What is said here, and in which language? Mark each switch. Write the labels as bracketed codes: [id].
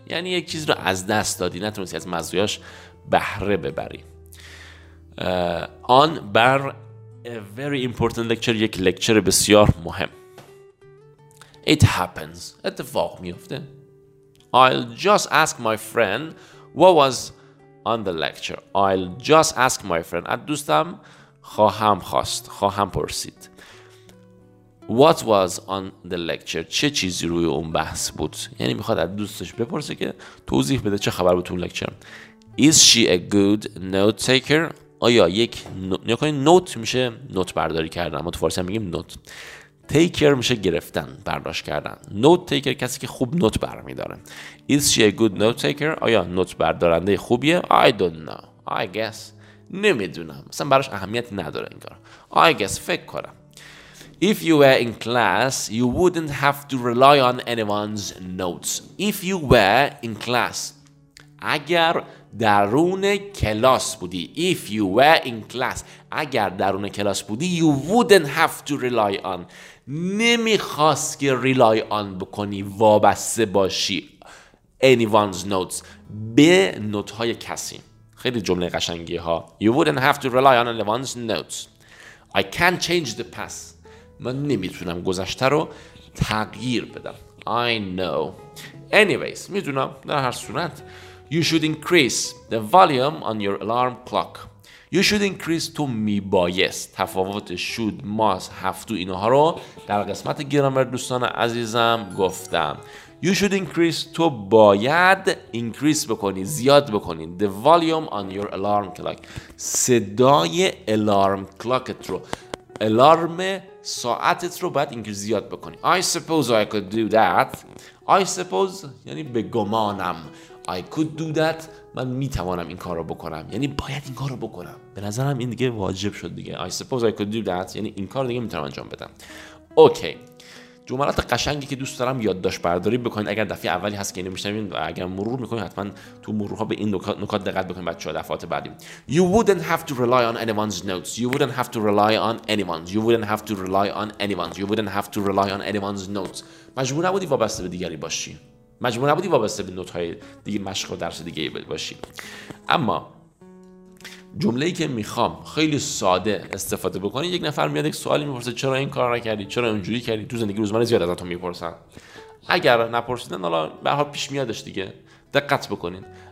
[fa] یعنی یک چیز رو از دست دادی، نتونستی از مزایاش بهره ببری. [en] On بر a very important lecture، [fa] یک لکچر بسیار مهم. [en] It happens. [fa] اتفاق میفته. [en] I'll just ask my friend what was on the lecture. I'll just ask my friend. [fa] از دوستم خواهم خواست، خواهم پرسید. [en] What was on the lecture؟ [fa] چه چیزی روی اون بحث بود؟ یعنی میخواد از دوستش بپرسه که توضیح بده چه خبر بود تو لکچر. [en] Is she a good note taker؟ [fa] آیا یک نکنی نوت میشه نوت برداری کردن، ما تو فارسی هم میگیم نوت. تیکر میشه گرفتن، برداشت کردن. نوت تیکر کسی که خوب نوت برمیداره. [en] Is she a good note taker؟ [fa] آیا نوت بردارنده خوبیه؟ [en] I don't know. I guess. [fa] نمیدونم. مثلا براش اهمیت نداره این کار. [en] I guess. [fa] فکر کنم. [en] If you were in class, you wouldn't have to rely on anyone's notes. If you were in class. [fa] اگر درون کلاس بودی. [en] If you were in class. [fa] اگر درون کلاس بودی. [en] You wouldn't have to rely on. [fa] نمیخواست که [en] rely on [fa] بکنی، وابسته باشی [en] anyone's notes، [fa] به نوت‌های کسی. خیلی جمله قشنگی ها. [en] You wouldn't have to rely on anyone's notes. I can't change the past. [fa] من نمیتونم گذشته رو تغییر بدم. [en] I know. Anyways، [fa] میدونم. در هر صورت [en] You should increase the volume on your alarm clock. You should increase to [fa] میبایست. تفاوت [en] should، must، have to [fa] اینها رو در قسمت گرامر دوستان عزیزم گفتم. [en] You should increase [fa] تو باید increase بکنی، زیاد بکنی. [en] The volume on your alarm clock. [fa] صدای alarm clockت رو، alarm ساعتت رو باید increase، زیاد بکنی. [en] I suppose I could do that. I suppose [fa] یعنی به گمانم. [en] I could do that. [fa] من میتوانم این کار رو بکنم. یعنی باید این کار رو بکنم. به نظرم این دیگه واجب شد دیگه. I suppose I could do that. یعنی این کار دیگه میتونم انجام بدم. [en] Okay. [fa] جملات قشنگی که دوست دارم یادداشت برداری بکنید. اگر دفعه اولی هست که نمیشنوین و اگر مرور میکنید حتما تو مرورها به این نکات دقت بکنید بچه ها دفعات بعدی. [en] You wouldn't have to rely on anyone's notes. You wouldn't have to rely on anyone's. You wouldn't have to rely on anyone's. You wouldn't have to rely on anyone's notes. [fa] مجبور نبودی وابسته به دیگری باشی. مجبور نبودی وابسته به نوت‌های دیگه مشق و درس دیگه باشی. اما جمله‌ای که میخوام خیلی ساده استفاده بکنی، یک نفر میاد یک سوالی میپرسه چرا این کار را کردی، چرا اونجوری کردی. تو زندگی روزمره زیاد ازتون میپرسن. اگر نپرسیدن حالا به هر حال پیش میادش دیگه، دقت بکنین.